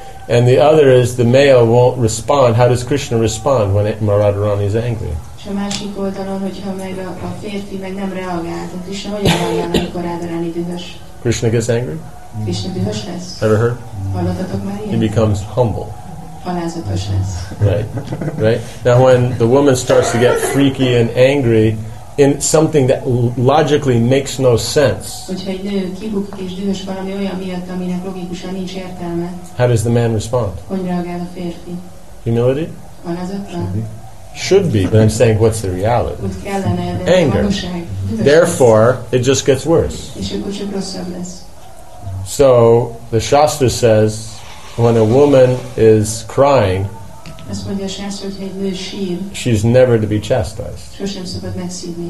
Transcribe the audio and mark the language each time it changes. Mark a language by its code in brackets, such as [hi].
[en] And the other is, the male won't respond. How does Krishna respond when Radharani is angry? [hu] A másik oldalon, hogyha meg a férfi meg nem reagál, Krishna hogyan reagál, amikor Radharani dühös? [en] Krishna gets angry? [hu] Krishna dühös lesz? [en] Ever heard? [hu] Hallottatok már ilyet? [en] He becomes humble. [hu] Alázatos lesz. [en] Right. Now when the woman starts to get freaky and angry in something that logically makes no sense, [hu] hogyha egy nő kibukik és dühös valami olyan miatt, aminek logikusan nincs értelme, [en] how does the man respond? [hu] Hogy reagál a férfi? [en] Humility? [hu] Alázatra? [en] Should be, but I'm saying, what's the reality? Anger. Therefore, it just gets worse. So, the Shastra says, when a woman is crying, she's never to be chastised.